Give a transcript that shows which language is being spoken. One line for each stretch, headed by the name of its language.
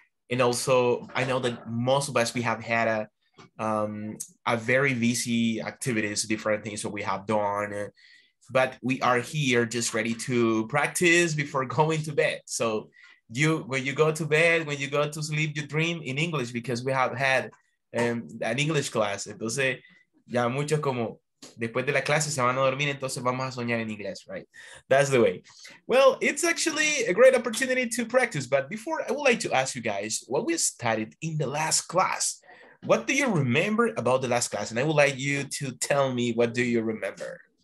English: And also, I know that most of us, we have had a very busy activities, different things that we have done. But we are here just ready to practice before going to bed. So you, when you go to bed, when you go to sleep, you dream in English because we have had an English class.
Spanish: Entonces, ya muchos como después de la clase se van a dormir, entonces vamos a soñar en inglés, right?
English: That's the way. Well, it's actually a great opportunity to practice. But before, I would like to ask you guys what we studied in the last class. What do you remember about the last class? And I would like you to tell me what do you remember.